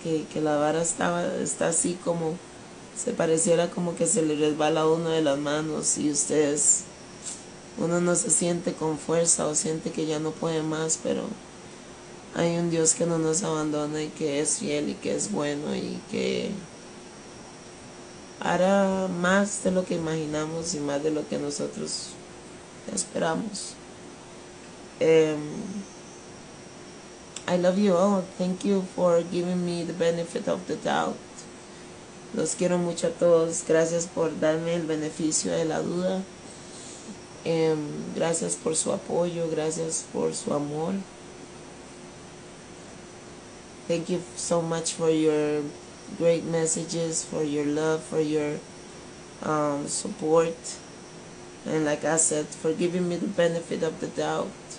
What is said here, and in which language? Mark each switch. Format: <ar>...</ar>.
<es>Que la vara está así como, se pareciera como que se le resbala uno de las manos y ustedes, uno no se siente con fuerza o siente que ya no puede más, pero hay un Dios que no nos abandona y que es fiel y que es bueno y que hará más de lo que imaginamos y más de lo que nosotros esperamos.</es> <en>I love you all. Thank you for giving me the benefit of the doubt.</en> <es>Los quiero mucho a todos. Gracias por darme el beneficio de la duda. Gracias por su apoyo, gracias por su amor.</es> <en>Thank you so much for your great messages, for your love, for your support. And like I said, for giving me the benefit of the doubt.</en>